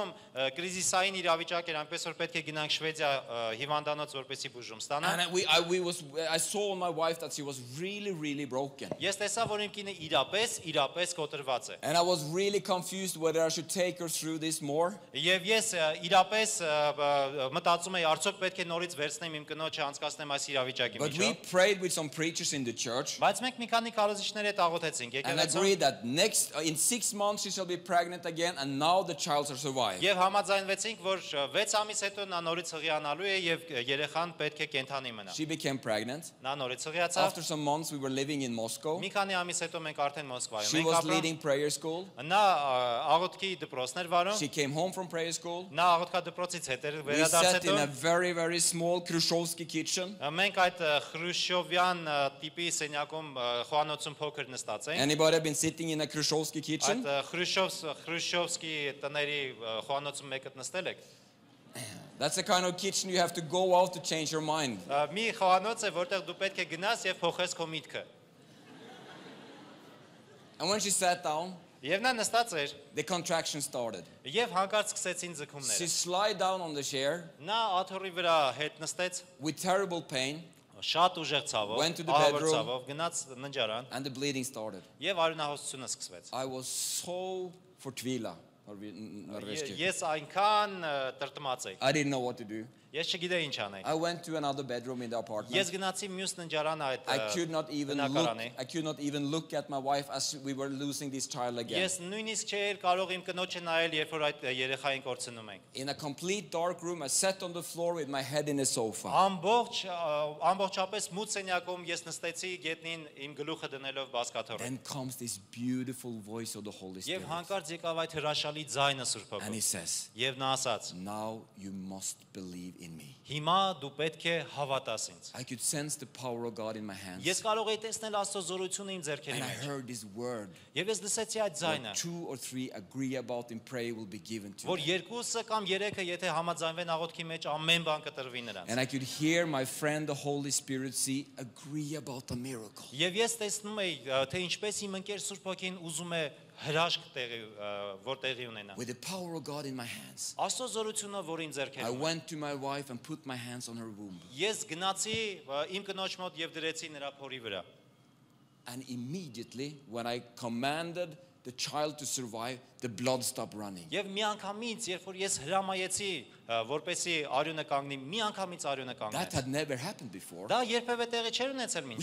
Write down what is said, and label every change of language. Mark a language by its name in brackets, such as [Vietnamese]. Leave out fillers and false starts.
[Armenian] կրիզիսային իրավիճակ էր, այնպես որ պետք է գնանք Շվեդիա հիվանդանոց, որպեսզի բուժում ստանանք. [English] And I saw on my wife that she was really, really broken. [Armenian] Ես տեսա, որ իմ կինը իրապես կոտրված է. [English] And I was really confused whether I should take her through this more. [Armenian] Եվ ես իրապես մտածում էի, արդյոք պետք է նորից վերցնեմ իմ կնոջը, անցկացնեմ այս իրավիճակի միջով. [English] But we prayed with some preachers in the church. [Armenian] Բայց մենք մի քանի քարոզիչների հետ աղոթեցինք, եկեք [English] And agreed that next in 6 months she shall be pregnant again and now the child has survived. [Armenian] Եվ համաձայնվեցինք, որ 6 ամիս հետո նա նորից հղիանալու է եւ երեխան պետք է կենթանի մնա։ [English] She became pregnant. [Armenian] Նա նորից հղիացավ։ [English] After some months we were living in Moscow. [Armenian] Մի քանի ամիս հետո մենք արդեն Մոսկվայում էինք ապրում։ [English] She was leading prayer school. [Armenian] Նա աղոթքի դպրոցներ վարում։ [English] She came home from prayer school. [Armenian] Նա աղոթքի դպրոցից հետո վերադարձ հետո։ [English] We sat in a very very small Khrushchevsky kitchen. [Armenian] Մենք այդ Խրուշովյան տիպի սենյակում խոհանոցում փոքր նստած էինք։ [English] Anybody been sitting in a Khrushchevsky kitchen? [Armenian] Այդ Խրուշովսկի տների խոհանոցում մեկդ նստել եք։ [English] That's the kind of kitchen you have to go out to change your mind. [Armenian] Մի խոհանոց է, որտեղ դու պետք է գնաս եւ փոխես քո միտքը։ [English] And when she sat down, [Armenian] Եվ նա նստած էր։ [English] The contraction started. [Armenian] Եվ հանկարծ սկսեցին ձգումները։ [English] She slid down on the chair. [Armenian] Նա աթոռի վրա հետ նստեց։ [English] With terrible pain. [Armenian] Շատ ուժեղ ցավով, [English] went to the bedroom, [Armenian] գնաց ննջարան, [English] and the bleeding started. [Armenian] Եվ արյունահոսությունը սկսվեց։ [English] I was so fortvila. [Armenian] Ես այնքան տրտմած էի։ [English] I didn't know what to do. [Armenian] Ես չգիտեի ինչ անեի։ [English] I went to another bedroom in the apartment. [Armenian] Ես գնացի մյուս ննջարան այդ [English] I could not even look at my wife as we were losing this child again. [Armenian] Ես նույնիսկ չէի կարող իմ կնոջը նայել, երբ որ այդ երեխային կորցնում ենք։ [English] In a complete dark room, I sat on the floor with my head in a sofa. [Armenian] Ամբողջապես մութ սենյակում ես նստեցի գետնին իմ գլուխը դնելով բազկաթոռին։ [English] Then comes this beautiful voice of the Holy Spirit. [Armenian] Եվ հանկարծ եկավ այդ հրաշալի ձայնը Սրբոգու։ [English] And he says. [Armenian] Եվ նա ասաց. [English] Now you must believe in me. [Armenian] Հիմա դու պետք է հավատաս ինձ. [English] I could sense the power of God in my hands. [Armenian] Ես կարող էի տեսնել Աստծո զորությունը իմ ձեռքերի մեջ. [English] And I heard this word. [Armenian] Եվ ես լսեցի այդ ձայնը. [English] Two or three agree about in prayer will be given to you. [Armenian] Որ երկուսը կամ երեքը եթե համաձայնվեն աղոթքի մեջ ամեն բան կտրվի նրանց. [English] And I could hear my friend the Holy Spirit say agree about the miracle. [Armenian] Եվ ես տեսնում էի թե ինչպես իմ ընկեր Սուրբ Հոգին ուզում է հրաշք տեղի որ տեղի ունենա [English] With the power of God in my hands. [Armenian] Աստծո զորությունը որ ինձ ձեռքերում [English] I went to my wife and put my hands on her womb. [Armenian] Ես գնացի իմ կնոջ մոտ եւ դրեցի նրա փորի վրա. [English] And immediately when I commanded the child to survive, the blood stopped running. [Armenian] Եվ միանգամից երբ որ ես հրամայեցի որպեսի արյունը կանգնի, միանգամից արյունը կանգնեց. [English] That had never happened before. [Armenian] Դա երբևէ տեղի չէր ունեցել մինչև։